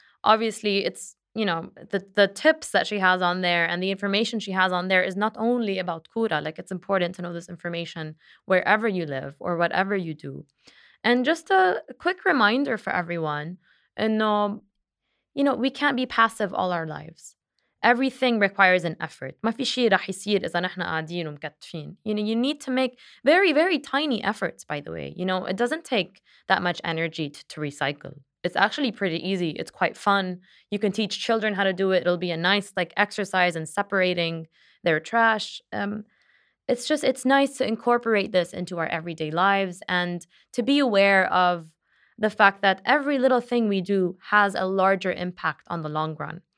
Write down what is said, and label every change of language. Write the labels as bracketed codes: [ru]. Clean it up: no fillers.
[en] Obviously, it's, you know, the tips that she has on there and the information she has on there is not only about Kura. Like, it's important to know this information wherever you live or whatever you do. And just a quick reminder for everyone, you know, we can't be passive all our lives. Everything requires an effort. [ar] ما في شيء رح يصير إذا نحن قاعدين ومكتفين. [en] You know, you need to make very, very tiny efforts, by the way. You know, it doesn't take that much energy to recycle. It's actually pretty easy. It's quite fun. You can teach children how to do it. It'll be a nice like exercise in separating their trash. It's nice to incorporate this into our everyday lives and to be aware of the fact that every little thing we do has a larger impact on the long run.